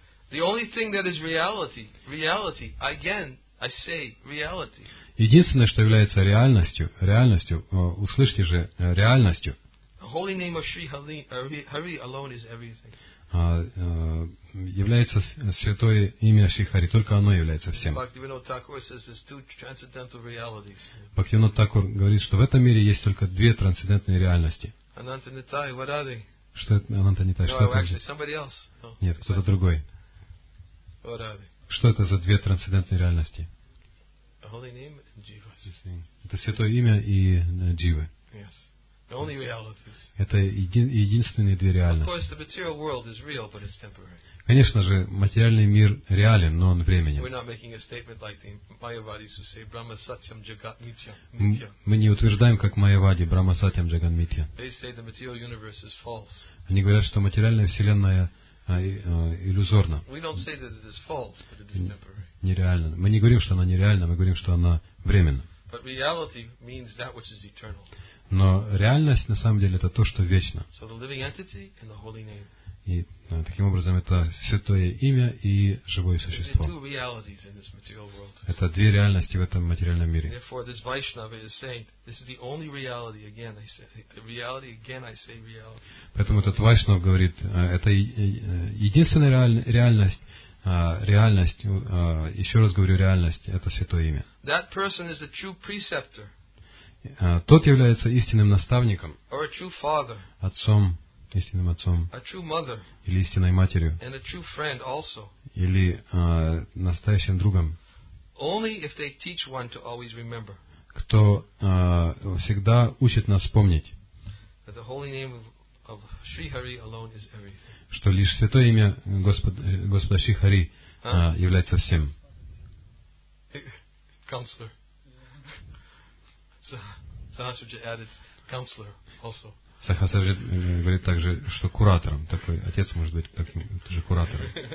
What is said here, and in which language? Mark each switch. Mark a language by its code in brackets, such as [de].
[en] The only thing that is reality, again, I say reality. [ru] Единственное, что является реальностью, услышьте же, реальностью. [en] The holy name of Sri Hari alone is everything. [ru] Является святое имя Шри Хари, только оно является всем. [en] Бхактивинода Тхакур says there's two transcendental realities. [ru] Бхактивинода Тхакур говорит, что в этом мире есть только две трансцендентные реальности. [en] Ананта Нитай, what are they? [ru] Что это Ананта Нитай? [en] No, actually, somebody else. [ru] Нет, кто-то другой. [en] What are they? [ru] Что это за две трансцендентные реальности? [en] Holy name and Jiva. [ru] Это святое имя и Дживы. [en] Yes. The only reality is. [ru] Это единственные две реальности. [en] Of course, the material world is real, but it's temporary. [ru] Конечно же, материальный мир реален, но он временен. [en] We're not making a statement like the Mayavadis who say [sa] Brahma Satyam Jagat Nitya. [ru] Мы не утверждаем, как Майявади, [sa] Брахма Сатьям Джагат Нитья. [en] They say the material universe is false. [ru] Они говорят, что материальная вселенная иллюзорна. [en] We don't say that it is false, but it is temporary. [ru] Нереально. Мы не говорим, что она нереальна, мы говорим, что она временна. [en] But reality means that which is eternal. [ru] Но реальность на самом деле это то, что вечно. [en] So the living entity and the holy name. [ru] И таким образом это святое имя и живое существо. [en] There are two realities in this material world. [ru] Это две реальности в этом материальном мире. [en] Therefore, this Vaishnava is saying, this is the only reality. Again, I say the reality. Again, I say reality. [ru] Поэтому этот Вайшнав говорит, это единственная реальность. Реальность, еще раз говорю, реальность – это святое имя. [en] That person is a true preceptor. [ru] Тот является истинным наставником, [en] or a true father, [ru] отцом, истинным отцом, [en] a true mother, [ru] или истинной матерью, [en] and a true friend also. [ru] Или настоящим другом. [en] Only if they teach one to always remember. [ru] Кто всегда учит нас помнить, [en] that the holy name of Shri Hari alone is everything. [ru] Что лишь святое имя Господа Шри Хари является всем. [en] Counselor. Sahasrara added counselor also. [ru] Sahasrara говорит также, что куратором. Такой отец может быть таким, тоже куратором.